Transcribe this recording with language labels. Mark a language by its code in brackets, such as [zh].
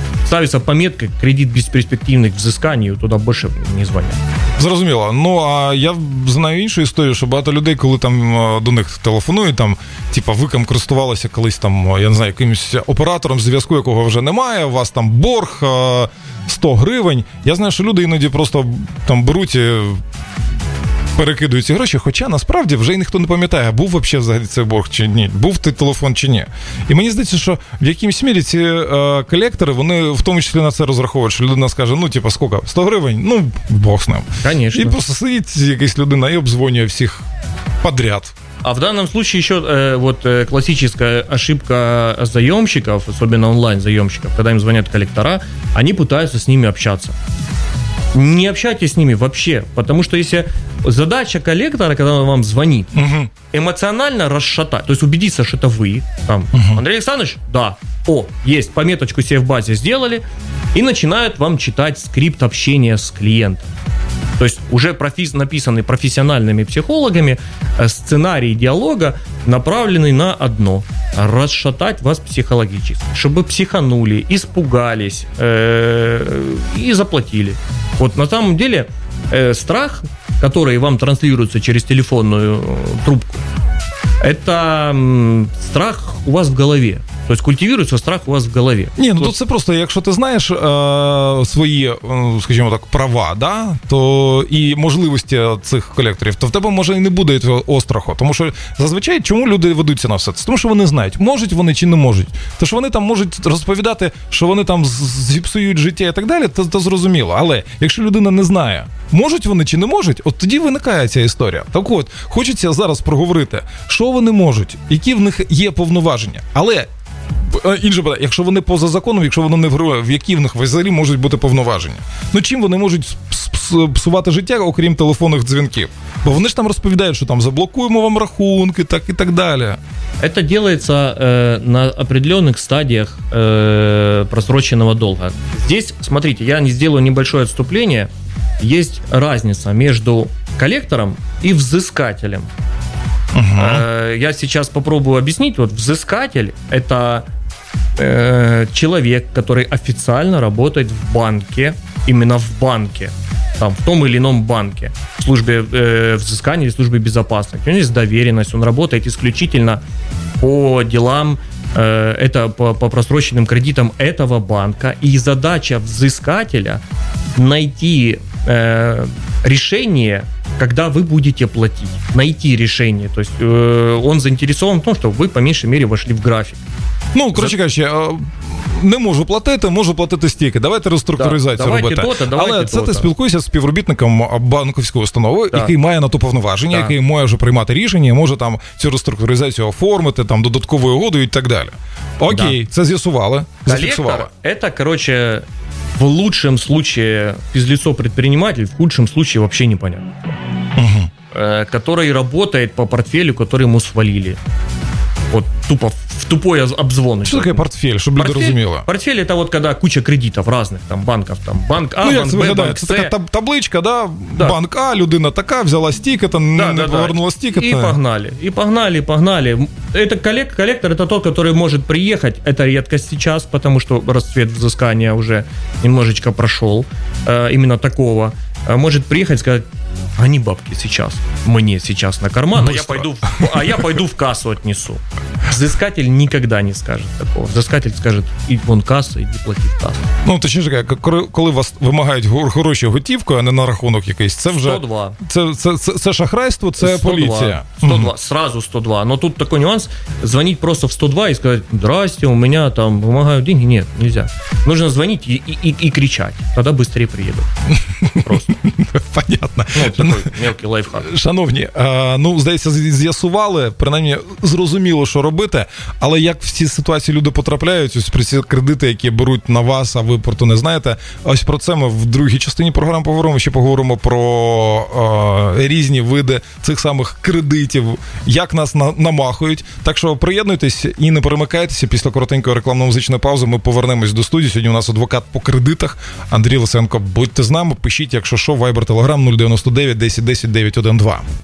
[ru] ставится пометка «кредит бесперспективный к взысканию», туда больше не звонят. [uk] Зрозуміло. Ну, а я знаю іншу історію, що багато людей, коли там до них телефонують, там, типа, ви ком користувалися колись там, я не знаю, якимось оператором зв'язку, якого вже немає, у вас там борг 100 гривень. Я знаю, що люди іноді просто там беруть і перекидують ці гроші, хоча насправді вже й ніхто не пам'ятає, був вообще взагалі цей борг чи ні, був ти телефон чи ні. І мені здається, що в якійсь мірі ці колектори, вони в тому числі на це розраховують, що людина скаже, ну, типа, скільки? 100 гривень? Ну, бог з ним. [ru] Конечно. [uk] І просто сидить якась людина і обзвонює всіх подряд. А в даному випадку ще вот, класична ошибка зайомщиків, особливо онлайн-зайомщиків, коли їм дзвонять колектора, вони намагаються з ними спілкуватися. [ru] Не общайтесь с ними вообще, потому что если задача коллектора, когда он вам звонит, эмоционально расшатать, то есть убедиться, что это вы, там, Андрей Александрович, да, о, есть, пометочку себе в базе сделали, и начинают вам читать скрипт общения с клиентом. То есть уже написанный профессиональными психологами сценарий диалога, направленный на одно – расшатать вас психологически, чтобы психанули, испугались и заплатили. Вот на самом деле страх, который вам транслируется через телефонную трубку, это страх у вас в голове. То есть культивируется страх у вас в голове. [uk] Не, ну тут це просто, якщо ти знаєш свої, скажімо так, права, да, то і можливості цих колекторів, то в тебе може і не буде цього страху. Тому що зазвичай чому люди ведуться на все це? Тому що вони знають, можуть вони чи не можуть. То що вони там можуть розповідати, що вони там зіпсують життя і так далі, то зрозуміло. Але якщо людина не знає, можуть вони чи не можуть, от тоді виникає ця історія. Так от, хочеться зараз проговорити, що вони можуть, які в них є повноваження. Але інше питання, якщо вони поза законом, якщо вони не в грою, в які в них взагалі можуть бути повноваження? Ну чим вони можуть псувати життя, окрім телефонних дзвінків? Бо вони ж там розповідають, що там заблокуємо вам рахунки, так і так далі. [ru] Это делается на определенных стадиях просроченного долга. Здесь, смотрите, я сделаю небольшое отступление. Есть разница между коллектором и взыскателем. Я сейчас попробую объяснить. Вот взыскатель – это человек, который официально работает в банке, именно в банке, там, в том или ином банке, в службе взыскания или службе безопасности. У него есть доверенность, он работает исключительно по делам, это по просроченным кредитам этого банка. И задача взыскателя – найти решение, когда вы будете платить, найти решение. То есть он заинтересован в том, чтобы вы по меньшей мере вошли в график. [uk] Ну, короче, короче, не можу платити, можу платити стільки. Давайте реструктуризацію, да, давайте робити. То-то, давайте. Але це то-то. Ти спілкуєшся з співробітником банківської установи, да, який має на то повноваження, да, який може вже приймати рішення, може там цю реструктуризацію оформити, там додаткову угоду і так далі. Окей, да, це з'ясували, зафіксували. [ru] Это, короче, в лучшем случае физлицо предприниматель, в худшем случае вообще непонятно. Который работает по портфелю, который ему свалили. Вот тупо в тупой обзвон. Что такое портфель, чтобы люди разумели? Портфель – это вот когда куча кредитов разных, там, банков, там, банк А, ну, банк Б, банк С. Это такая табличка, да? Да? Банк А, людина такая, взяла стик, это да, не да, повернула да. стик. И погнали, и погнали, погнали. Это коллектор – это тот, который может приехать, это редкость сейчас, потому что расцвет взыскания уже немножечко прошел, именно такого. Может приехать и сказать, гони бабки сейчас, мне сейчас на карман, а я пойду в кассу отнесу. Взыскатель никогда не скажет такого. Взыскатель скажет, иди вон касса, иди плати в кассу. Ну, точнее, когда вас вымогают хорошие [uk] готівкою, а не на рахунок якийсь, це вже... 102. Це шахрайство, це 102. Поліція. [ru] 102, сразу 102. Но тут такой нюанс, звонить просто в 102 и сказать, здрасте, у меня там вымогают деньги. Нет, нельзя. Нужно звонить и кричать, тогда быстрее приедут. Просто. Понятно. Ну, такой мелкий лайфхак. [uk] Шановні, ну, здається, з'ясували, принаймні, зрозуміло, що робити, але як в цій ситуації люди потрапляють, ось при ці кредити, які беруть на вас, а ви про то не знаєте, ось про це ми в другій частині програми поговоримо, ще поговоримо про різні види цих самих кредитів, як нас намахують. Так що приєднуйтесь і не перемикайтеся, після коротенької рекламно-музичної паузи ми повернемось до студії. Сьогодні у нас адвокат по кредитах Андрій Лисенко. Будьте з нами, пишіть, якщо що, Viber, Telegram 099-1010-912.